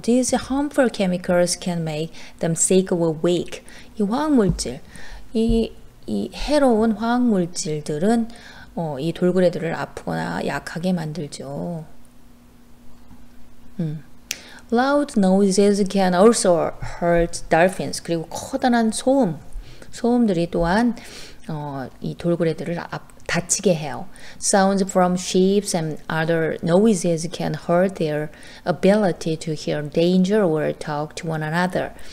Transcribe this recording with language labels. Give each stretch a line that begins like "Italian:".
English: These harmful chemicals can make them sick or weak.
Korean: 이 화학물질, 이 해로운 화학물질들은 이 돌고래들을 아프거나 약하게 만들죠.
English: Loud noises can also hurt dolphins.
Korean: 그리고 커다란 소음들이 또한 이 돌고래들을 다치게 해요.
English: Sounds from ships and other noises can hurt their ability to hear danger or talk to one another.